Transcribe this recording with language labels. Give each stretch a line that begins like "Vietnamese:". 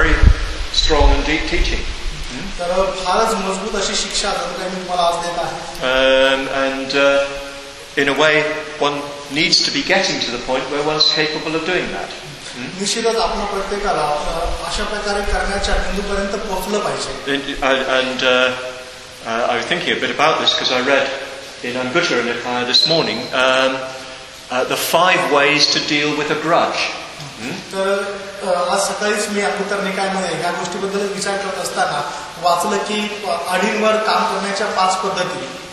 Marathi: तर फारच मजबूत अशी शिक्षा आता मी तुम्हाला आज देत आहे.
English: And in a way one needs to be getting to the point where one's capable of doing that.
Marathi: निश्चितच आपण प्रत्येकाला अशा प्रकारे करण्याच्या बिंदूपर्यंत पोहोचलं पाहिजे.
English: And I was thinking a bit about this because I read in Anguttara Nikaya this morning the five ways to deal with a grudge.
Marathi: तर आज सकाळीच मी अंगुत्तर निकायमध्ये या गोष्टीबद्दल विचार करत असताना वाचलं की अडीनवर काम करण्याच्या पाच पद्धती.